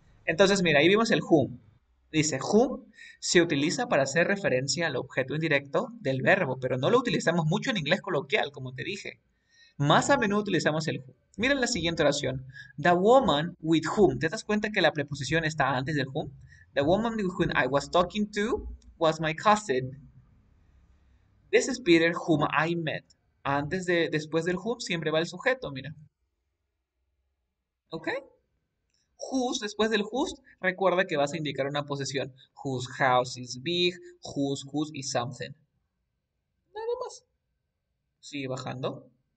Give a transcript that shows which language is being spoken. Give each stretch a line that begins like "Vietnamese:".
Spanish: Entonces, mira, ahí vimos el whom. Dice, whom se utiliza para hacer referencia al objeto indirecto del verbo, pero no lo utilizamos mucho en inglés coloquial, como te dije. Más a menudo utilizamos el whom. Mira la siguiente oración. The woman with whom. ¿Te das cuenta que la preposición está antes del whom?
English: The woman with whom I was talking to was my cousin. This is Peter whom I met.
Spanish: Después del whom siempre va el sujeto, mira. ¿Ok? Whose, después del whose, recuerda que vas a indicar una posesión.
English: Whose house is big, whose is something. Nada más. Sigue bajando.